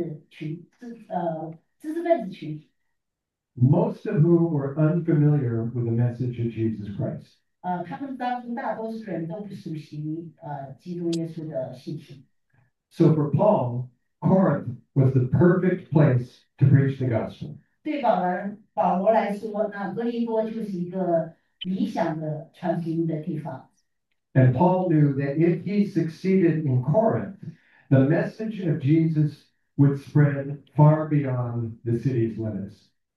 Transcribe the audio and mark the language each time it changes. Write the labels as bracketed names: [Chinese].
[Chinese] 所以哥林多这个地方汇聚了很多重要的国际化的，就是很富裕的知识分子群。 [English] Most of whom were unfamiliar with the message of Jesus Christ. [Chinese] 他们当中大多数人都不熟悉基督耶稣的信息。 [English] So for Paul, Corinth was the perfect place to preach the gospel. [Chinese] 对保罗来说，那哥林多就是一个理想的传福音的地方。 [English] And Paul knew that if he succeeded in Corinth, the message of Jesus would spread far beyond the city's limits.